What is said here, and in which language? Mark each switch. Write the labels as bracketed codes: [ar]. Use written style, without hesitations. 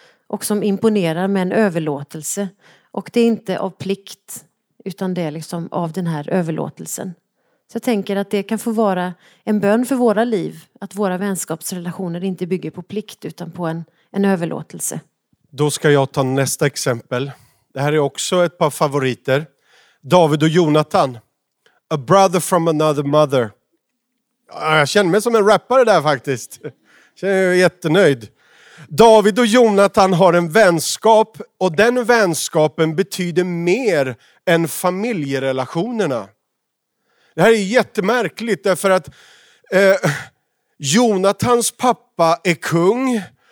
[sv] Och som imponerar med en överlåtelse. Och det är inte av plikt, utan det är liksom av den här överlåtelsen. Så jag tänker att det kan få vara en bön för våra liv, att våra vänskapsrelationer inte bygger på plikt, utan på en överlåtelse. Då ska jag ta nästa exempel. Det här är också ett par favoriter. David och Jonathan. [en] A brother from another mother. [sv] Jag känner mig som en rappare där faktiskt. Jag är jättenöjd. David och Jonathan har en vänskap. Och den vänskapen betyder mer än familjerelationerna. Det här är jättemärkligt. Därför att Jonathans pappa är kung.